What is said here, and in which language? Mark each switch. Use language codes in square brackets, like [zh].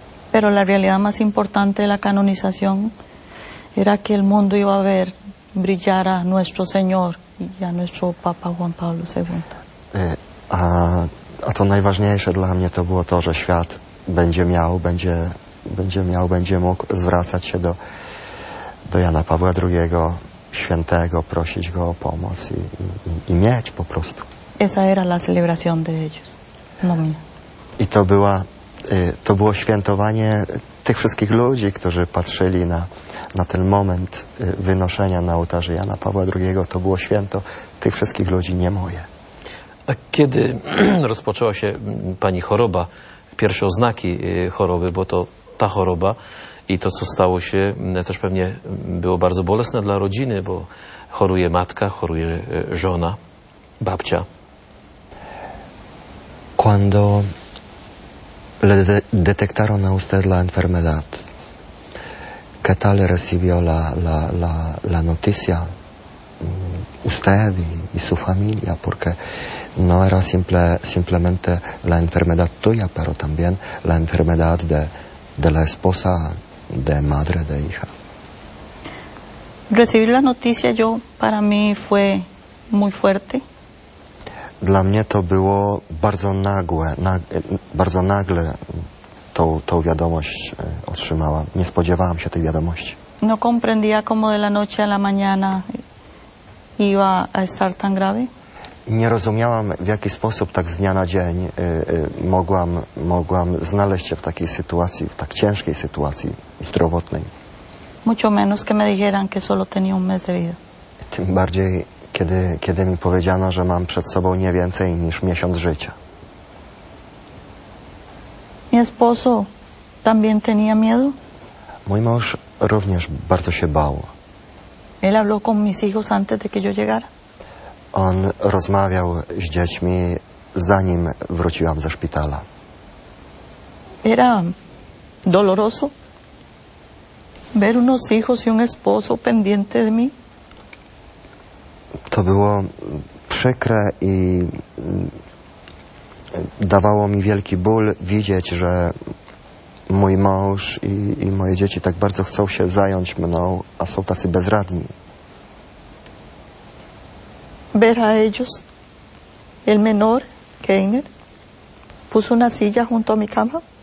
[es] Pero la realidad más importante de la canonización era que el mundo iba a ver brillar a nuestro Señor y a nuestro Papa Juan Pablo II. [pl] A to najważniejsze dla mnie to było to, że świat będzie mógł zwracać się do Jana Pawła II, świętego, prosić go o pomoc i mieć po prostu. [es] Esa era la celebración de ellos, no mía. [pl] I to było świętowanie tych wszystkich ludzi, którzy patrzyli na ten moment wynoszenia na ołtarzy Jana Pawła II. To było święto tych wszystkich ludzi, nie moje. A kiedy rozpoczęła się pani choroba, pierwsze oznaki choroby, bo to ta choroba i to, co stało się, też pewnie było bardzo bolesne dla rodziny, bo choruje matka, choruje żona, babcia. [es] Cuando le detectaron a usted la enfermedad, ¿qué tal recibió la noticia usted y su familia? Porque no era simplemente la enfermedad tuya, pero también la enfermedad de la esposa, de madre, de hija. Recibir la noticia yo, para mí fue muy fuerte. [pl] Dla mnie to było bardzo nagłe, bardzo nagle tą wiadomość otrzymałam. Nie spodziewałam się tej wiadomości. [es] No comprendía cómo de la noche a la mañana iba a estar tan grave. [pl] Nie rozumiałam, w jaki sposób tak z dnia na dzień mogłam znaleźć się w takiej sytuacji, w tak ciężkiej sytuacji zdrowotnej. [es] Mucho menos que me dijeran que solo tenía un mes de vida. [pl] Tym bardziej, kiedy mi powiedziano, że mam przed sobą nie więcej niż miesiąc życia. [es] Mi esposo también tenía miedo. [pl] Mój mąż również bardzo się bał. [es] Él habló con mis hijos antes de que yo llegara. [pl] On rozmawiał z dziećmi, zanim wróciłam ze szpitala. [es] Era doloroso ver unos hijos y un esposo pendiente de mí. [pl] To było przykre i dawało mi wielki ból widzieć, że mój mąż i moje dzieci tak bardzo chcą się zająć mną, a są tacy bezradni. [es] Ver a ellos, el menor, Keiner, puso una silla junto a mi cama.